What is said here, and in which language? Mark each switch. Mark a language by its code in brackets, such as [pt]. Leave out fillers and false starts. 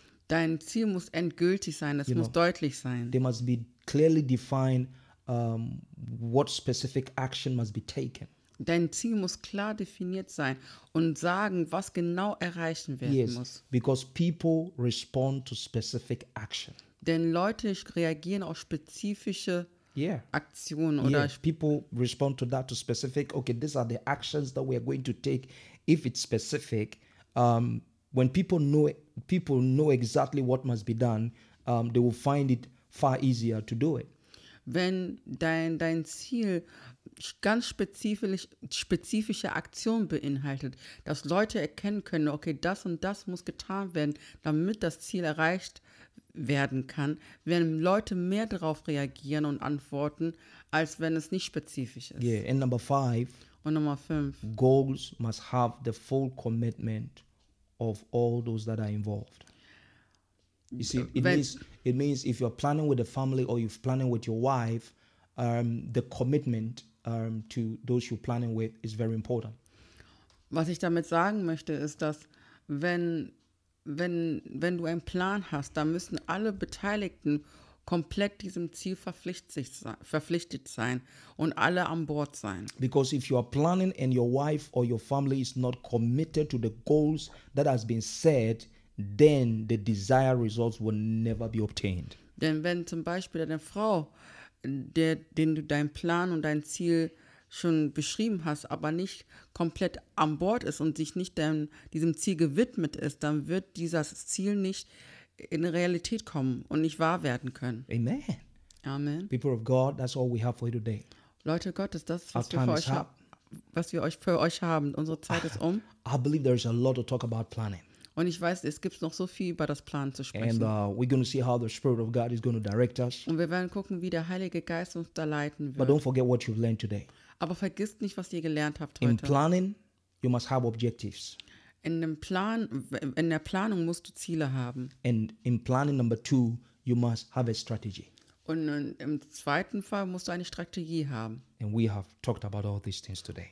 [de] Dein Ziel muss endgültig sein, es muss deutlich sein. [en] They must be clearly defined, what specific action must be taken. [de] Dein Ziel muss klar definiert sein und sagen, was genau erreichen werden muss. [en] Because people respond to specific action. [de] Denn Leute reagieren auf spezifische Aktionen. [en] People respond to that, to specific, okay, these are the actions that we are going to take. If it's specific, when people know exactly what must be done, they will find it far easier to do it. [de] Wenn dein Ziel ganz spezifische Aktionen beinhaltet, dass Leute erkennen können, okay, das und das muss getan werden, damit das Ziel erreicht werden kann, werden Leute mehr darauf reagieren und antworten, als wenn es nicht spezifisch ist. [en] Yeah, and number five. [de] Und Nummer fünf. [en] Goals must have the full commitment of all those that are involved. You see, it means if you're planning with a family or you're planning with your wife, the commitment to those you're planning with is very important. [de] Was ich damit sagen möchte, ist, dass wenn du einen Plan hast, dann müssen alle Beteiligten komplett diesem Ziel verpflichtet sein und alle an Bord sein. [en] Because if you are planning and your wife or your family is not committed to the goals that has been set, then the desired results will never be obtained. [de] Denn wenn zum Beispiel deine Frau, den du deinen Plan und dein Ziel schon beschrieben hast, aber nicht komplett an Bord ist und sich nicht diesem Ziel gewidmet ist, dann wird dieses Ziel nicht in Realität kommen und nicht wahr werden können. Amen. Amen. [en] People of God, that's all we have for you today. [de] Leute Gottes, das ist, was wir für euch haben. Unsere Zeit ist um. [en] I believe there is a lot to talk about planning. [de] Und ich weiß, es gibt noch so viel über das Plan zu sprechen. [en] And we're going to see how the Spirit of God is going to direct us. [de] Und wir werden gucken, wie der Heilige Geist uns da leiten wird. [en] But don't forget what you've learned today. [de] Aber vergisst nicht, was ihr gelernt habt heute. [en] In planning, you must have objectives. [de] In der Planung musst du Ziele haben. [en] And in planning number two, you must have a strategy. [de] Und im zweiten Fall musst du eine Strategie haben. [en] And we have talked about all these things today.